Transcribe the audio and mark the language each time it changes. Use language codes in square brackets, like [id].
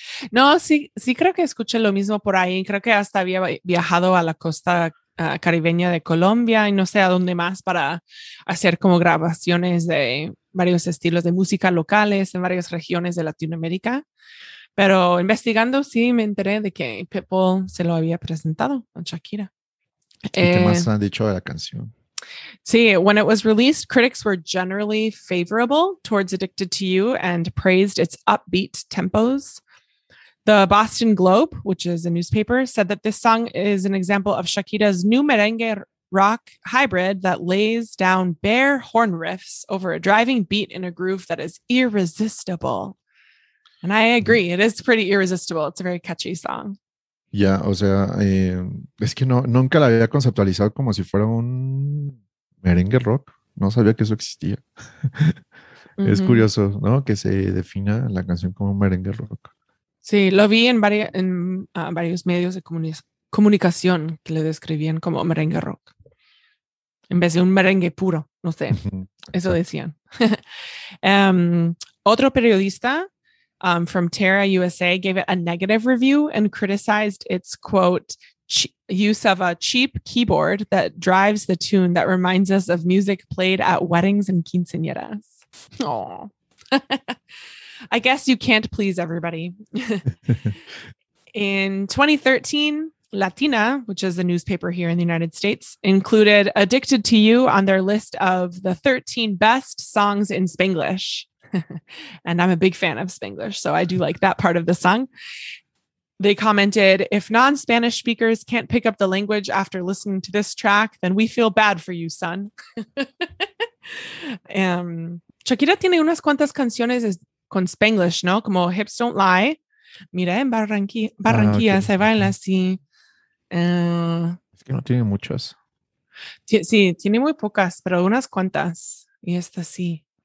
[es] No, sí creo que escuché lo mismo por ahí. Creo que hasta había viajado a la costa caribeña de Colombia y no sé a dónde más para hacer como grabaciones de varios estilos de música locales en varias regiones de Latinoamérica. Pero investigando, sí, me enteré de que Pitbull se lo había presentado a Shakira. ¿Qué más han dicho de la canción? [en] Sí, when it was released, critics were generally favorable towards Addicted to You and praised its upbeat tempos. The Boston Globe, which is a newspaper, said that this song is an example of Shakira's new merengue rock hybrid that lays down bare horn riffs over a driving beat in a groove that is irresistible. And I agree. It is pretty irresistible. It's a very catchy song. [es] Yeah, o sea, es que nunca la había conceptualizado como si fuera un merengue rock. No sabía que eso existía. Mm-hmm. Es curioso, ¿no? Que se defina la canción como un merengue rock. Sí, lo vi en varios medios de comunicación que le describían como merengue rock. En vez de un merengue puro, no sé. Eso decían. otro periodista, [en] from Terra USA, gave it a negative review and criticized its, quote, use of a cheap keyboard that drives the tune that reminds us of music played at weddings and quinceañeras. Aww. I guess you can't please everybody. In 2013, Latina, which is a newspaper here in the United States, included Addicted to You on their list of the 13 best songs in Spanglish. And I'm a big fan of Spanglish, so I do like that part of the song. They commented, "If non-Spanish speakers can't pick up the language after listening to this track, then we feel bad for you, son." [es] Shakira tiene unas cuantas canciones con Spanglish, ¿no? Como Hips Don't Lie, Mira en Barranquilla, okay. Se baila así. Es que no tiene muchas. Sí, tiene muy pocas, pero unas cuantas. Y esta sí.